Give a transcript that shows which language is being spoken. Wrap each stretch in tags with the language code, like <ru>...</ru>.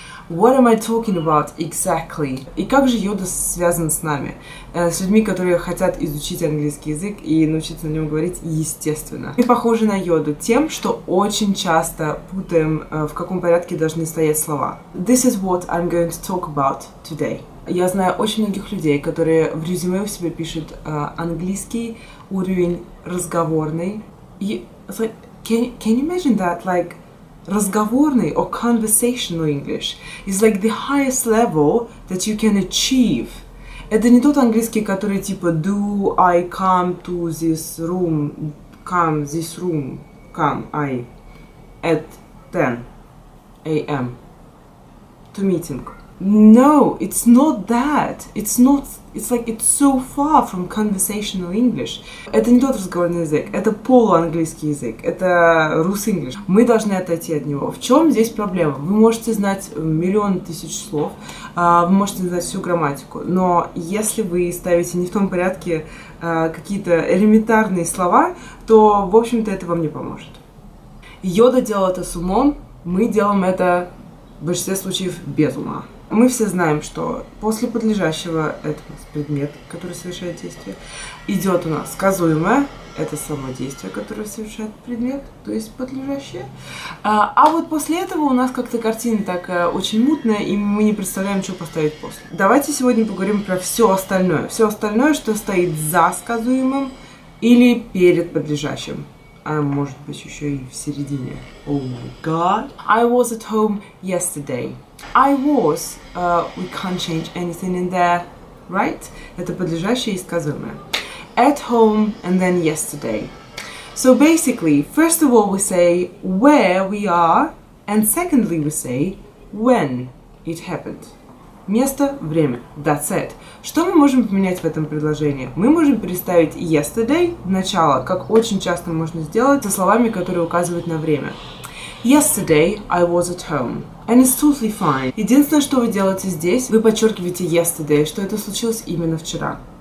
<en>What am I talking about exactly?</en> <ru>И как же Йода связан с нами, с людьми, которые хотят изучить английский язык и научиться на нем говорить естественно? Мы похожи на Йоду тем, что очень часто путаем, в каком порядке должны стоять слова.</ru> <en>This is what I'm going to talk about today.</en> <ru>Я знаю очень многих людей, которые в резюме у себя пишут английский уровень разговорный. И</ru> <en>it's like, can you imagine that, like,</en> <ru>разговорный</ru> <en>or conversational English is like the highest level that you can achieve.</en> <ru>Это не тот английский, который типа</ru> <en>do I come to this room, come this room, come I at 10 a.m. to meeting. No, it's not that. It's not. It's like it's so far from conversational English.</en> <ru>Это не тот разговорный язык. Это полуанглийский язык. Это рус-инглиш. Мы должны отойти от него. В чем здесь проблема? Вы можете знать миллион тысяч слов. Вы можете знать всю грамматику. Но если вы ставите не в том порядке какие-то элементарные слова, то, в общем-то, это вам не поможет. Йода делал это с умом. Мы делаем это в большинстве случаев без ума. Мы все знаем, что после подлежащего, это предмет, который совершает действие, идет у нас сказуемое, это само действие, которое совершает предмет, то есть подлежащее. А вот после этого у нас как-то картина такая очень мутная, и мы не представляем, что поставить после. Давайте сегодня поговорим про все остальное. Все остальное, что стоит за сказуемым или перед подлежащим. А может быть еще и в середине.</ru> <en>Oh my god. I was at home yesterday. I was, we can't change anything in there, right?</en> <ru>Это подлежащее и сказуемое.</ru> <en>At home and then yesterday. So basically, first of all we say where we are, and secondly we say when it happened.</en> <ru>Место, время.</ru> <en>That's it.</en> <ru>Что мы можем поменять в этом предложении? Мы можем переставить yesterday в начало, как очень часто можно сделать, со словами, которые указывают на время.</ru> <en>Yesterday I was at home. And it's totally fine.</en> <ru>Единственное, что вы делаете здесь, вы подчеркиваете yesterday, что это случилось именно вчера.</ru>